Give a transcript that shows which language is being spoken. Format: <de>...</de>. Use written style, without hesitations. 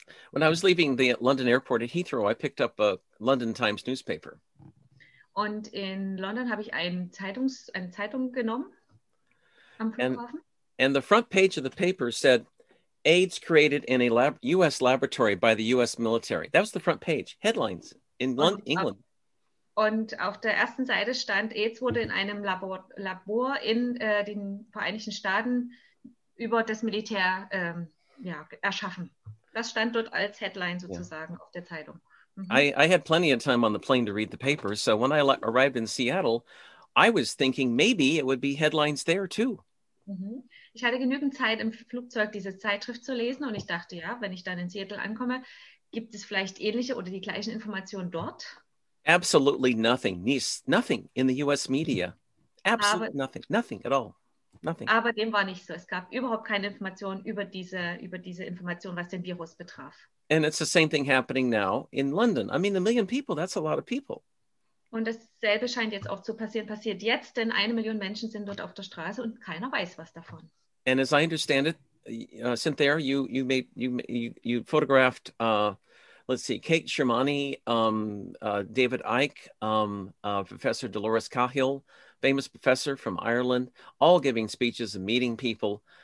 <en>When I was leaving the London airport at Heathrow, I picked up a London Times newspaper.</en> <de>Und in London habe ich eine Zeitung genommen am</de> <en>And</en> <de>Flughafen.</de> <en>the front page of the paper said, AIDS created in a lab US laboratory by the US military. That was the front page, headlines in London, England.</en> <de>Und auf der ersten Seite stand, AIDS wurde in einem Labor in den Vereinigten Staaten über das Militär ja, erschaffen. Das stand dort als Headline sozusagen auf der Zeitung.</de> <en>I had plenty of time on the plane to read the paper, so when I arrived in Seattle, I was thinking maybe it would be headlines there too.</en> <de>Ich hatte genügend Zeit im Flugzeug, diese Zeitschrift zu lesen, und ich dachte, ja, wenn ich dann in Seattle ankomme, gibt es vielleicht ähnliche oder die gleichen Informationen dort.</de> <en>Absolutely nothing, nothing in the US media. Absolutely</en> <de>Aber</de> <en>nothing, nothing at all, nothing.</en> <de>dem war nicht so. Es gab überhaupt keine Informationen über diese Information, was den Virus betraf.</de> <en>And it's the same thing happening now in London. I mean, 1 million people, that's a lot of people.</en> <de>Und dasselbe scheint jetzt auch zu passieren. Passiert jetzt, denn 1 Million Menschen sind dort auf der Straße und keiner weiß was davon.</de> <en>And as I understand it, Cynthia, you photographed, let's see, Kate Shirmani, David Icke, Professor Dolores Cahill, famous professor from Ireland, all giving speeches and meeting people.</en>